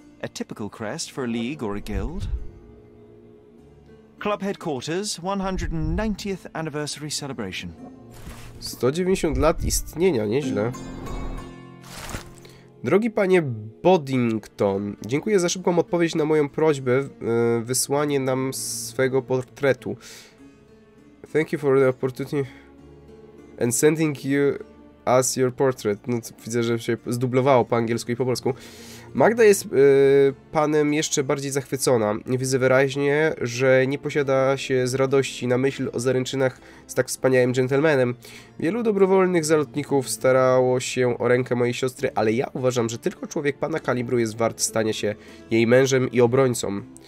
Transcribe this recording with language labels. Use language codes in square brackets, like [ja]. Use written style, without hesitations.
[en] A typical crest for a league or a guild. Club headquarters, 190th anniversary celebration. [pl] 190 lat istnienia, nieźle. Drogi panie Boddington, dziękuję za szybką odpowiedź na moją prośbę, wysłanie nam swego portretu. [en] Thank you for the opportunity and sending you us your portrait. [pl] No to widzę, że się zdublowało po angielsku i po polsku. Magda jest panem jeszcze bardziej zachwycona. Widzę wyraźnie, że nie posiada się z radości na myśl o zaręczynach z tak wspaniałym dżentelmenem. Wielu dobrowolnych zalotników starało się o rękę mojej siostry, ale ja uważam, że tylko człowiek pana kalibru jest wart stania się jej mężem i obrońcą.